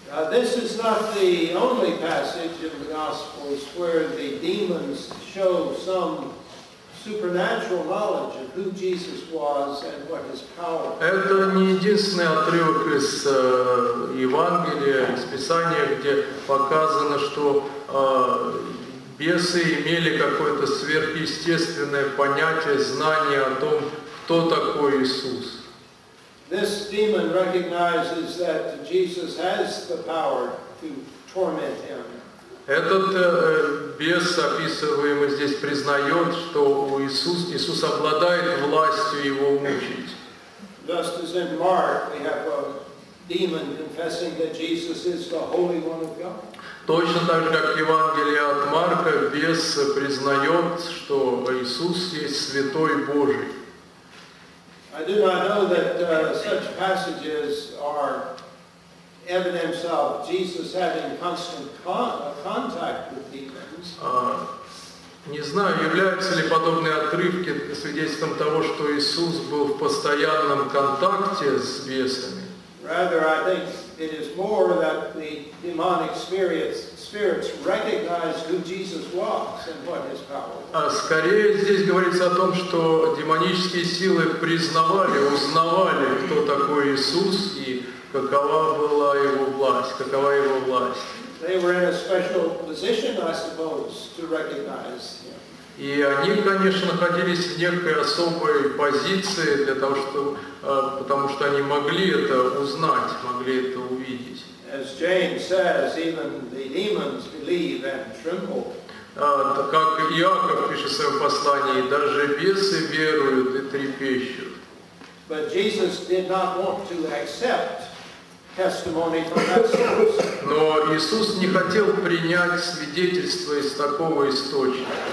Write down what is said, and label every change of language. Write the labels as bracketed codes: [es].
[en] This is not the only passage in the Gospels where the demons show some supernatural knowledge of who Jesus was and what his power was. [ru] Это не единственный отрывок из Евангелия, из Писания, где показано, что бесы имели какое-то сверхъестественное понятие, знание о том, кто такой Иисус. [en] This demon recognizes that Jesus has the power to torment him. [ru] Этот бес, описываемый здесь, признает, что Иисус обладает властью его мучить. [en] Just as in Mark, we have a demon confessing that Jesus is the Holy One of God. [ru] Точно так же, как в Евангелии от Марка, бес признает, что Иисус есть Святой Божий. [en] I do not know that such passages are evidence of Jesus having constant contact with demons. [ru] Не знаю, являются ли подобные отрывки свидетельством того, что Иисус был в постоянном контакте с бесами. [en] Rather, I think it is more that the demonic spirits recognized who Jesus was and what his power was. [ru] Скорее здесь говорится о том, что демонические силы признавали, узнавали, кто такой Иисус и какова была его власть, какова его власть. [en] They were in a special position, I suppose, to recognize him. [ru] И они, конечно, находились в некой особой позиции для того, потому что они могли это узнать, могли это увидеть. [en] As James says, even the demons believe and tremble. [ru] Как Иаков пишет в своем послании, даже бесы веруют и трепещут. [en] But Jesus did not want to accept testimony from that source. [ru] Но Иисус не хотел принять свидетельство из такого источника.